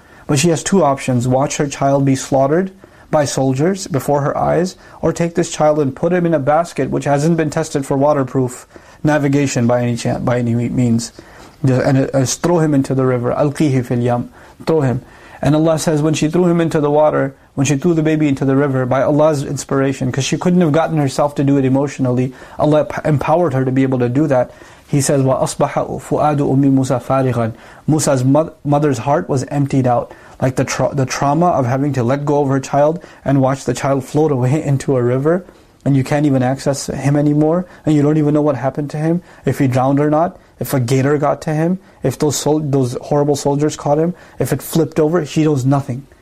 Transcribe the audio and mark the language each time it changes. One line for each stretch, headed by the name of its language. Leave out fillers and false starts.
English: But she has two options: watch her child be slaughtered by soldiers before her eyes, or take this child and put him in a basket which hasn't been tested for waterproof navigation by any means. And throw him into the river.
Arabic: Alqihi fil yam.
English: Throw him. And Allah says, when she threw him into the water, when she threw the baby into the river, by Allah's inspiration, because she couldn't have gotten herself to do it emotionally, Allah empowered her to be able to do that. He says,
Arabic: وَأَصْبَحَ فُؤَادُ أُمِّ مُوسَى فَارِغًا.
English: Musa's mother's heart was emptied out. Like the trauma of having to let go of her child and watch the child float away into a river, and you can't even access him anymore, and you don't even know what happened to him, if he drowned or not, if a gator got to him, if those horrible soldiers caught him, if it flipped over, she knows nothing.